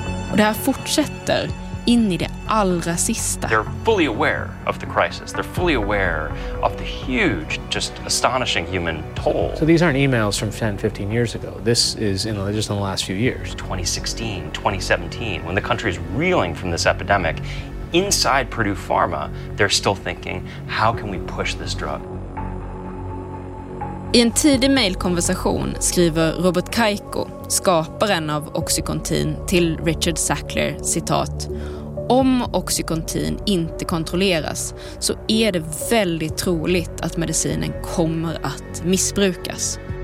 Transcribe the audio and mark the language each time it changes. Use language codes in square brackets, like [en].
[sv] Och det här fortsätter in i det allra sista. [en] They're fully aware of the crisis. They're fully aware of the huge, just astonishing human toll. So these aren't emails from 10, 15 years ago. This is in just in the last few years. 2016, 2017, when the country is reeling from this epidemic, inside Purdue Pharma, they're still thinking, how can we push this drug? [sv] I en tidig mailkonversation skriver Robert Kaiko, skaparen av Oxycontin, till Richard Sackler, citat: om Oxycontin inte kontrolleras så är det väldigt troligt att medicinen kommer att missbrukas.